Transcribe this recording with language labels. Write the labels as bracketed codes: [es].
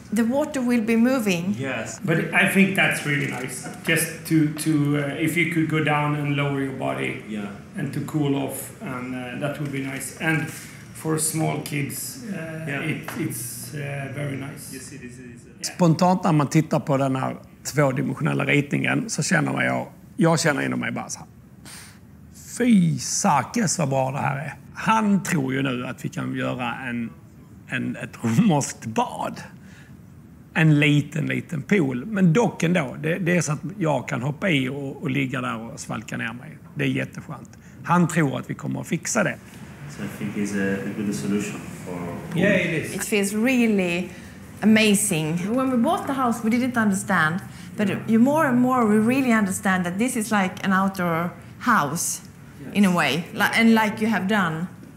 [en] The water will be moving. Yes, but I think that's really nice. Just to if you could go down and lower your body, and to cool off, and that would be nice. And for small kids, it's very nice. You see, this is. [sv] Spontant när man tittar på den här tvådimensionella ritningen, så känner man jag känner inom mig bara så här. Fy sakes, vad bra det här är. Han tror ju nu att vi kan göra ett romerskt bad. En liten pool. Men dock ändå, det är så att jag kan hoppa i och ligga där och svalka ner mig. Det är jätteskönt. Han tror att vi kommer att fixa det. [en] So I think it's a good solution for pool. Yeah, it is. It feels really amazing. When we bought the house, we didn't understand. But you more and more, we really understand that this is like an outdoor house, in a way. And like you have done.